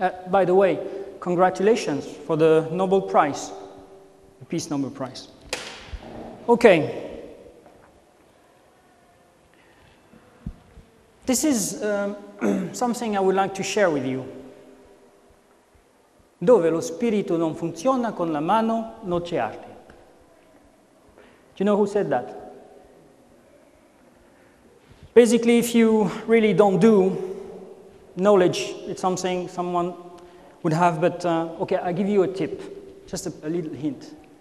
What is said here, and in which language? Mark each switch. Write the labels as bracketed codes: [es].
[en] By the way, congratulations for the Nobel Prize, the Peace Nobel Prize. Okay. This is something I would like to share with you. [it] Dove lo spirito non funziona con la mano, non c'è arte. [en] you know who said that? Basically, if you really don't do knowledge, it's something someone would have, but okay, I'll give you a tip, just a little hint.